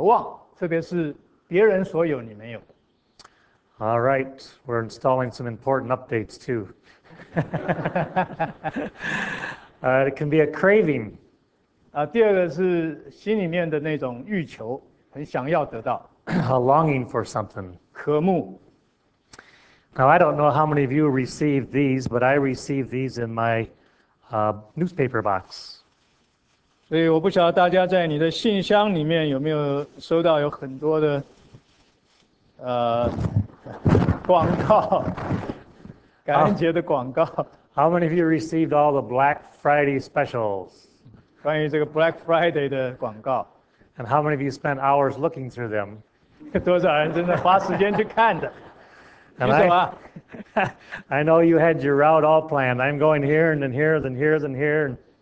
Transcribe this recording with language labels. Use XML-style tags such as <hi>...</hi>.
<zh>第一个定义就是有对一个某种东西有特别的一个渴望，特别是别人所有你没有。</zh> <en>All right, we're installing some important updates too. it can be a craving.</en> <zh>第二个是心里面的那种欲求，很想要得到。</zh> <en>A longing for something.</en> <zh>渴慕。</zh> <en>Now, I don't know how many of you received these, but I received these in my newspaper box.</en> <zh>所以我不晓得大家在你的信箱里面有没有收到有很多的广告，感恩节的广告。</zh> <en>How many of you received all the Black Friday specials?</en> <zh>关于这个Black Friday的广告。</zh> <en>And how many of you spent hours looking through them?</en> <zh>多少人真的花时间去看的。</zh> <en>And I know you had your route all planned. I'm going here and then here, then here, then here.</en>